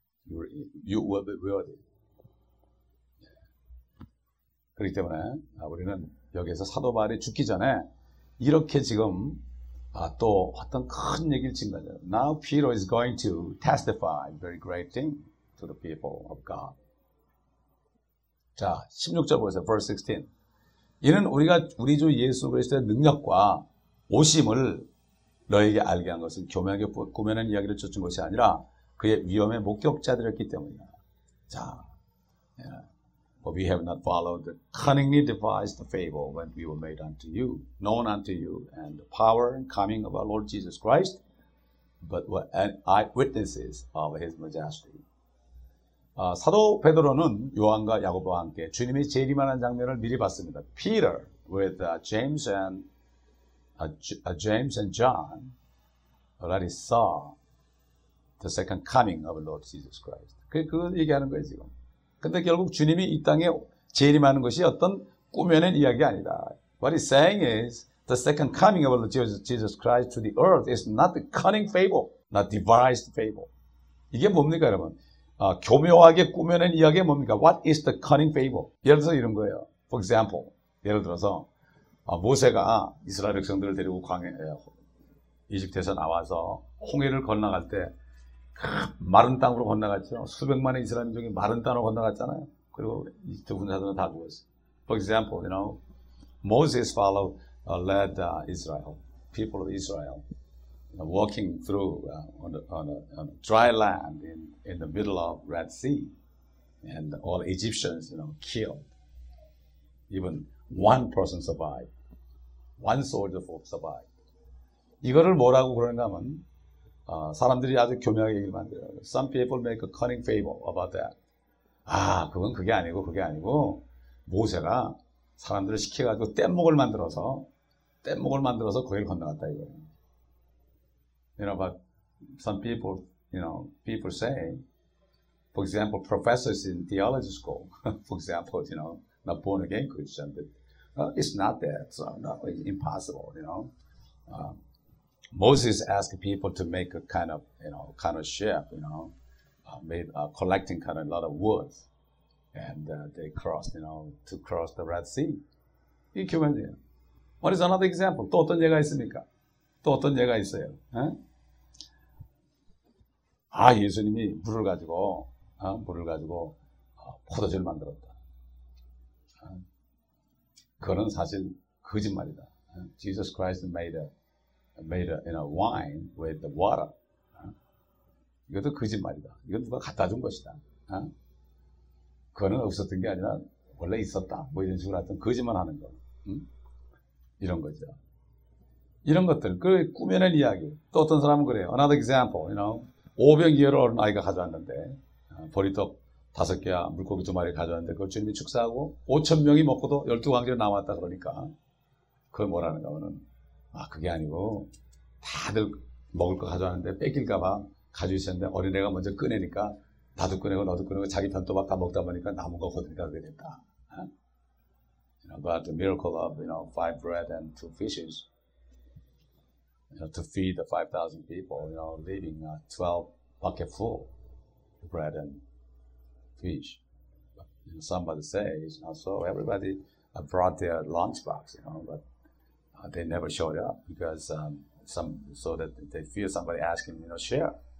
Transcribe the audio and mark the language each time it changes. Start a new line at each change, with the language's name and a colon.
English: You will be rewarded.
Korean: 그렇기 때문에 우리는 여기에서 사도 바울이 죽기 전에 이렇게 지금 또 어떤 큰 얘기를 짓는다.
English: Now Peter is going to testify very great thing to the people of God.
Korean: 자, 16절 보세요.
English: Verse 16.
Korean: 이는 우리가 우리 주 예수 그리스도의 능력과 오심을 너에게 알게 한 것은 교묘하게 꾸며낸 이야기를 쫓은 것이 아니라 그의 위험의 목격자들이었기 때문이야.
English: 자, But we have not followed the cunningly devised fable when we were made unto you, known unto you, and the power and coming of our Lord Jesus Christ, but were eyewitnesses of his majesty.
Korean: 사도 베드로는 요한과 야고보와 함께 주님이 재림하는 장면을 미리 봤습니다.
English: Peter with James and John already saw the second coming of our Lord Jesus Christ.
Korean: 그 얘기하는 거예요 지금. 근데 결국 주님이 이 땅에 재림하는 것이 어떤 꾸며낸 이야기 아니다.
English: What he's saying is the second coming of Jesus Christ to the earth is not the cunning fable, not devised fable.
Korean: 이게 뭡니까 여러분? 교묘하게 꾸며낸 이야기 뭡니까?
English: What is the cunning fable?
Korean: 예를 들어서 이런 거예요.
English: For example,
Korean: 예를 들어서 모세가 이스라엘 백성들을 데리고 이집트에서 나와서 홍해를 건너갈 때 마른 땅으로 건너갔죠. 수백만의 이스라엘 민족이 마른 땅으로 건너갔잖아요. 그리고 이집트 군사들은 다 죽었어요.
English: For example, you know, Moses led Israel, people of Israel, walking through on a dry land in the middle of Red Sea, and all Egyptians, you know, killed. Even one person survived. One soldier survived.
Korean: 이거를 뭐라고 그러는가 하면 사람들이 아주 교묘하게 얘기를 만들어요.
English: Some people make a cunning fable about that.
Korean: 아, 그건 그게 아니고, 모세가 사람들을 시켜가지고 뗏목을 만들어서 거기를 건너갔다 이거예요.
English: You know, but some people, you know, people say, for example, professors in theology school, for example, you know, not born again Christian, but it's not that, so no, it's impossible, you know. Moses asked people to make a kind of, you know, kind of ship, you know, made a collecting kind of a lot of wood, and they crossed, you know, to cross the Red Sea.
Korean: 이 교만이에요.
English: What is another example?
Korean: 또 어떤 예가 있습니까? 또 어떤 예가 있어요? 에? 아, 예수님이 물을 가지고 포도주를 만들었다. 그건 사실 거짓말이다.
English: Jesus Christ made a you know, wine with the water.
Korean: 이것도 거짓말이다. 이건 누가 갖다 준 것이다. 그거는 없었던 게 아니라 원래 있었다. 뭐 이런 식으로 하여튼 거짓말 하는 거. 이런 거죠. 이런 것들, 그 꾸며낸 이야기. 또 어떤 사람은 그래요.
English: Another example, you know.
Korean: 오병이어를 어른 아이가 가져왔는데 보리떡 다섯 개와 물고기 두 마리 가져왔는데 그걸 주님이 축사하고 5천 명이 먹고도 열두 광주로 남았다 그러니까 그걸 뭐라는 거는 아 그게 아니고 다들 먹을 거 가져왔는데 뺏길까 봐 가지고 있었는데 어린애가 먼저 꺼내니까 나도 꺼내고 너도 꺼내고 자기 편 또 막 다 먹다 보니까 남은 거 거두니까 그게 됐다.
English: You know, but the miracle of you know five bread and two fishes. You know, to feed the 5,000 people, you know, leaving 12 buckets full of bread and fish. But, you know, somebody says, so everybody brought their lunchbox, you know, but they never showed up because so that they fear somebody asking, you know, share.